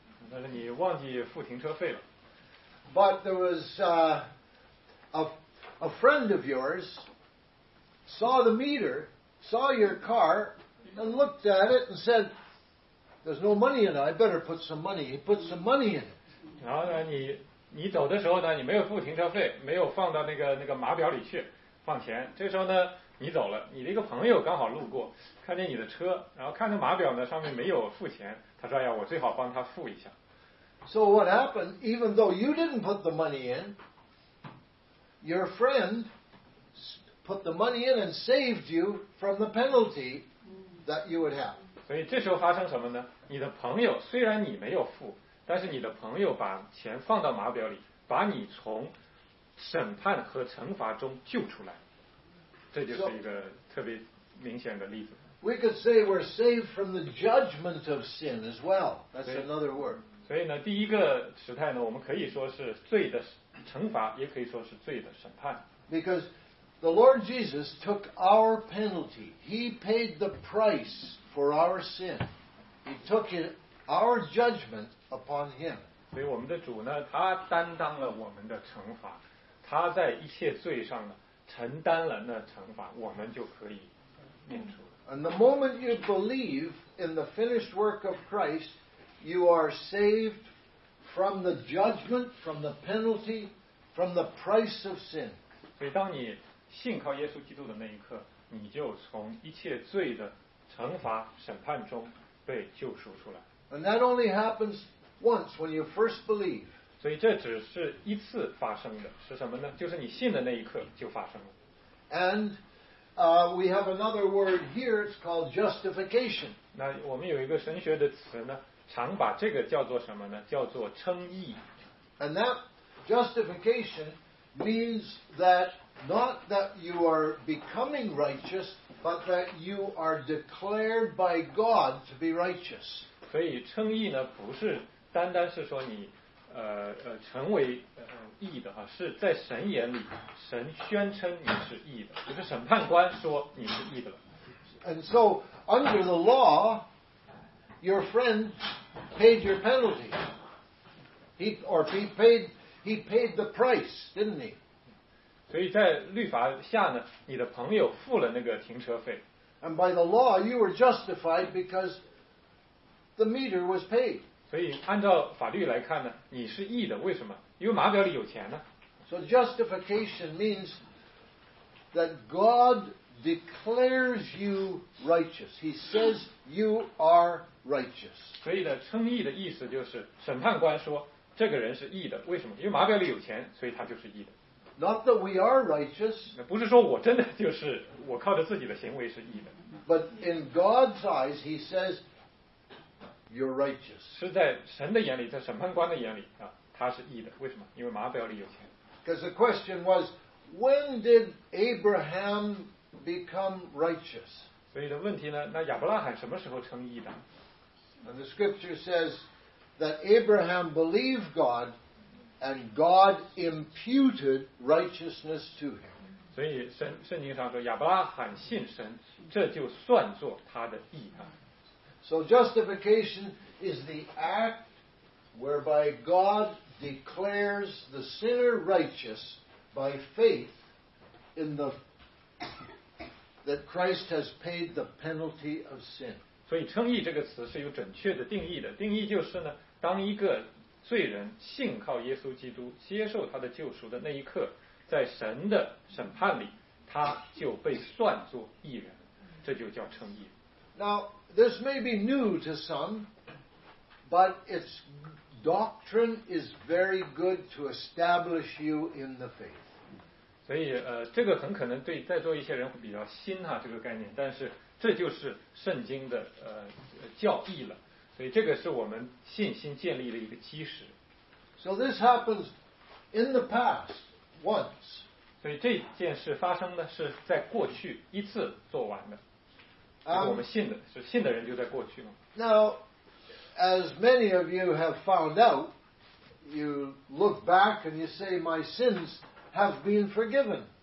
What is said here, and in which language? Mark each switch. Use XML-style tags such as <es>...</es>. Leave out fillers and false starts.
<zh>但是你忘记付停车费了。</zh> <en>But there was a friend of yours saw the meter, saw your car and looked at it and said, There's no money in it. I better put some money. He put some money in it.</en> <zh>然后呢，你走的时候呢，你没有付停车费，没有放到那个码表里去放钱。这时候呢，你走了，你的一个朋友刚好路过，看见你的车，然后看着码表呢，上面没有付钱，他说：“哎呀，我最好帮他付一下。”</zh> <en>So what happened? Even though you didn't put the money in, your friend put the money in and saved you from the penalty that you would have.</en> <zh>所以这时候发生什么呢？你的朋友虽然你没有付，但是你的朋友把钱放到马表里，把你从审判和惩罚中救出来，这就是一个特别明显的例子。</zh> <en>We could say we're saved from the judgment of sin as well. That's another word.</en> <zh>所以呢，第一个时态呢，我们可以说是罪的惩罚，也可以说是罪的审判。</zh> <en>Because the Lord Jesus took our penalty. He paid the price for our sin. He took it, our judgment upon Him.</en> <zh>所以我们的主呢，他担当了我们的惩罚，他在一切罪上呢承担了那惩罚，我们就可以免除。</zh> <en>And the moment you believe in the finished work of Christ, you are saved from the judgment, from the penalty, from the price of sin.</en> <zh>所以当你信靠耶稣基督的那一刻，你就从一切罪的惩罚审判中被救赎出来。</zh> <en>And that only happens once when you first believe.</en> <zh>所以这只是一次发生的，是什么呢？就是你信的那一刻就发生了。</zh> <en>And we have another word here. It's called justification.</en> <zh>那我们有一个神学的词呢，常把这个叫做什么呢？叫做称义。</zh> <en>And that justification means that not that you are becoming righteous, but that you are declared by God to be righteous.</en> <zh>所以称义呢，不是单单是说你成为义的哈，是在神眼里，神宣称你是义的，就是审判官说你是义的了。</zh> <en>And so under the law, your friend paid your penalty. He paid the price, didn't he?</en> <zh>所以在律法下呢，你的朋友付了那个停车费。</zh> <en>And by the law, you were justified because the meter was paid.</en> <zh>所以按照法律来看呢，你是义的，为什么？因为马表里有钱呢。</zh> <en>So justification means that God declares you righteous. He says you are righteous.</en> <zh>所以呢，称义的意思就是审判官说这个人是义的，为什么？因为马表里有钱，所以他就是义的。</zh> <en>Not that we are righteous.</en> <zh>不是说我真的就是我靠着自己的行为是义的。</zh> <en>But in God's eyes, He says. You're righteous.</en> <zh>是在神的眼里，在审判官的眼里啊，他是义的。为什么？因为马表里有钱。</zh> <en>Because the question was, when did Abraham become righteous?</en> <zh>所以的问题呢，那亚伯拉罕什么时候称义的</zh> <en>？And the scripture says that Abraham believed God, and God imputed righteousness to him.</en> <zh>所以圣经上说，亚伯拉罕信神，这就算作他的义啊。</zh> <en>So justification is the act whereby God declares the sinner righteous by faith in the that Christ has paid the penalty of sin.</en> <zh>所以称义这个词是有准确的定义的。定义就是呢，当一个罪人信靠耶稣基督，接受他的救赎的那一刻，在神的审判里，他就被算作义人，这就叫称义。</zh> <en>Now, this may be new to some, but its doctrine is very good to establish you in the faith.</en> <zh>所以这个很可能对在座一些人会比较新哈，这个概念，但是这就是圣经的教义了，所以这个是我们信心建立的一个基石。</zh> <en>So this happens in the past once.</en> <zh>所以这件事发生的是在过去一次做完的。我们信的，是信的人就在过去嘛。</zh> <en>Now, as many of you have found out, you look back and you say, my sins have been forgiven.</en>